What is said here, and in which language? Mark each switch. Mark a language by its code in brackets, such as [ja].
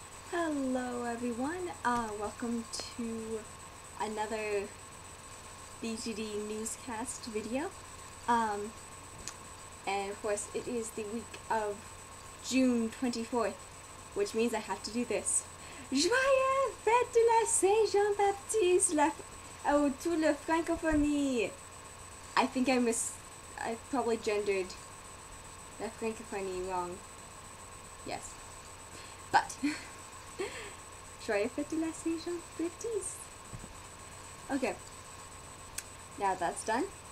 [en] Hello everyone, welcome to another BJD newscast video, and of course it is the week of June 24th, which means I have to do this. [fr] Joyeux fête de la Saint-Jean-Baptiste la toute la francophonie. [en] I think I probably gendered la francophonie wrong. Yes. But [fr] Joyeux fête de la Saint-Jean-Baptiste. [en] Okay. Now that's done.